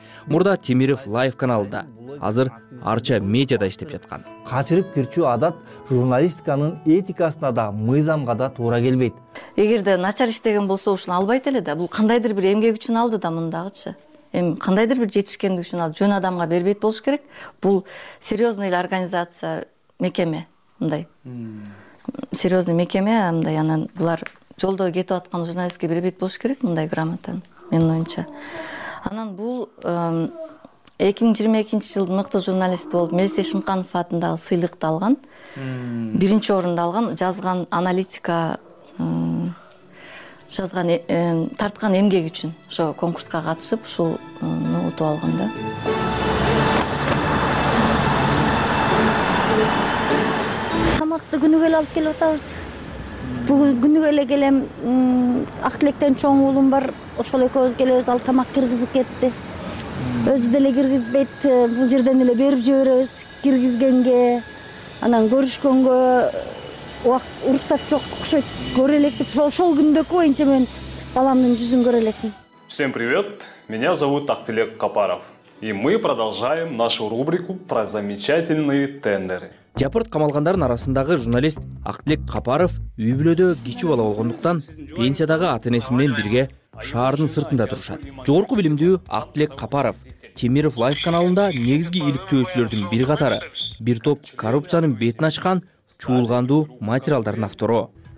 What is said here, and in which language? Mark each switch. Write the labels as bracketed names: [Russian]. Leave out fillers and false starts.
[Kyrgyz] Мурда Темиров Лайв каналында, азыр Арча медиада иштеп жаткан. Качырып кирчүү адат журналистиканын этикасына да, мыйзамга да туура келбейт. Эгерде начар иштеген болсо, ушуну албайт эле да. Бул кандайдыр бир эмгек үчүн алды да мындагычы. Эми кандайдыр бир жетишкендик үчүн алды, жөн адамга бербейт болуш керек. Бул серьёзный эле организация, мекеме, мындай. Серьёзный мекеме, мындай анан булар жолдо кетип аткан журналистке бербейт болуш керек мындай грамотаны. Менин оюмча. Анан бул 2022 жылдын мыкты журналисти болуп Мелисе Шымканов атындагы сыйлыкты алган. Биринчи орунду алган, жазган аналитика, жазган тарткан эмгеги үчүн ошо конкурска катышып, ушул утуп алган да. Тамакты күнүгө эле алып келип атабыз. Бүгүн күнүгө эле келем, ак тилектен чоң уулум бар. Ошол экөөбүз келебиз, ал тамак киргизип кетти. Өзү деле киргизбейт, бул жерден эле берип жиберебиз. Киргизгенге, анан көрүшкөнгө уруксат жок окшойт. Көрө элекпиз, ошол күндөкү боюнча мен баламдын жүзүн көрө элекмин. [Russian] Всем привет, меня зовут Актылек Капаров. И мы продолжаем нашу рубрику про замечательные тендеры. [Kyrgyz] Жапырт камалгандардын арасындагы журналист Актылек Капаров үй бүлөдө кичүү бала болгондуктан пенсиядагы ата-энеси менен бирге шаардын сыртында турушат. Жогорку билимдүү Актылек Капаров Темиров Лайв каналында негизги иликтөөчүлөрдүн бир катары, бир топ коррупциянын бетин ачкан чуулгандуу материалдардын автору.